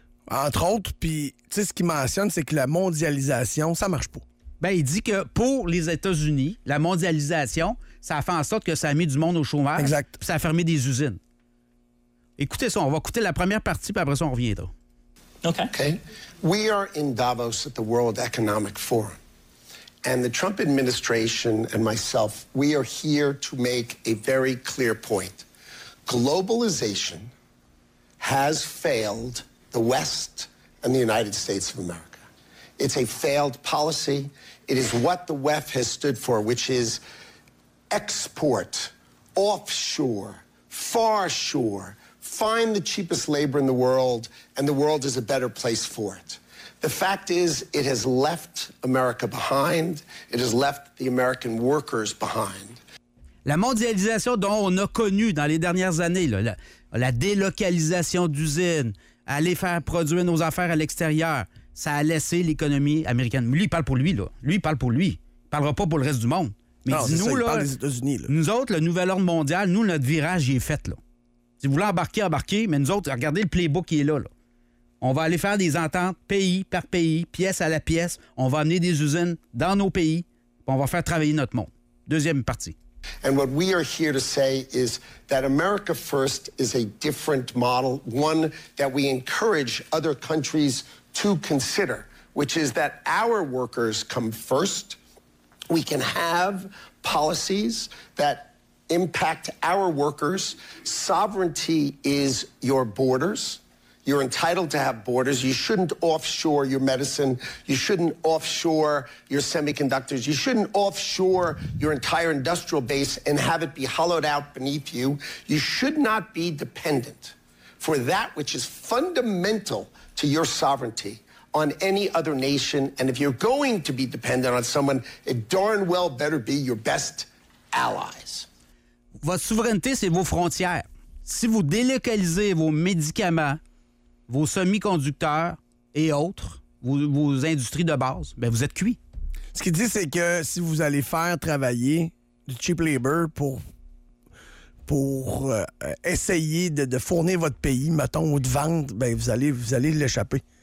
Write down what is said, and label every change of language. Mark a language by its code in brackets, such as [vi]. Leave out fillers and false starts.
[fr] Entre autres, puis tu sais, ce qu'il mentionne, c'est que la mondialisation, ça marche pas. Bien, il dit que pour les États-Unis, la mondialisation, ça a fait en sorte que ça a mis du monde au chômage. Exact. Puis ça a fermé des usines. Écoutez ça, on va écouter la première partie, puis après ça, on reviendra. OK. Okay. [en] We are in Davos at the World Economic Forum. And the Trump administration and myself, we are here to make a very clear point. Globalization has failed the West and the United States of America. It's a failed policy. It is what the WEF has stood for, which is export, offshore, far shore, find the cheapest labor in the world, and the world is a better place for it. The fact is, it has left America behind. It has left the American workers behind. [fr] La mondialisation dont on a connu dans les dernières années, là, la délocalisation d'usines, aller faire produire nos affaires à l'extérieur, ça a laissé l'économie américaine. Lui, il parle pour lui, là. Lui, il parle pour lui. Il parlera pas pour le reste du monde. Mais non, dis-nous, c'est ça, il parle des États-Unis, là. Nous autres, le nouvel ordre mondial, nous, notre virage, il est fait, là. Si vous voulez embarquer, embarquez, mais nous autres, regardez le playbook qui est là, là. On va aller faire des ententes pays par pays, pièce à la pièce. On va amener des usines dans nos pays, puis on va faire travailler notre monde. Deuxième partie. [en] And what we are here to say is that America First is a different model, one that we encourage other countries to consider, which is that our workers come first. We can have policies that impact our workers. Sovereignty is your borders. You're entitled to have borders. You shouldn't offshore your medicine. You shouldn't offshore your semiconductors. You shouldn't offshore your entire industrial base and have it be hollowed out beneath you. You should not be dependent for that which is fundamental to your sovereignty on any other nation. And if you're going to be dependent on someone, it darn well better be your best allies. [fr] Votre souveraineté, c'est vos frontières. Si vous délocalisez vos médicaments, vos semi-conducteurs et autres, vos industries de base, bien, vous êtes cuit. Ce qu'il dit, c'est que si vous allez faire travailler du [en] cheap labor [fr] pour essayer de fournir votre pays, mettons, ou de vendre, bien, vous allez l'échapper.